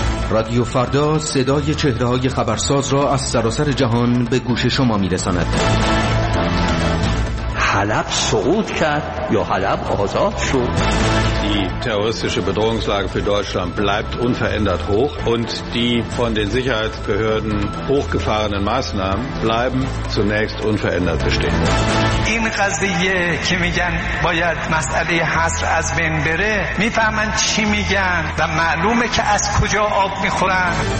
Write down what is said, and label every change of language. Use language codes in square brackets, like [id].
[fa] رادیو فردا، صدای چهره‌های خبرساز را از سراسر جهان به گوش شما می‌رساند. حلب صعود کرد یا حلب آزاد شد؟ [de] Die terroristische Bedrohungslage für Deutschland bleibt unverändert hoch und die von den Sicherheitsbehörden hochgefahrenen Maßnahmen bleiben zunächst unverändert bestehen. [fa] این قضیه که میگن باید مسئله حصر از بین بره، میفهمن چی میگن و معلومه که از کجا آب میخورن.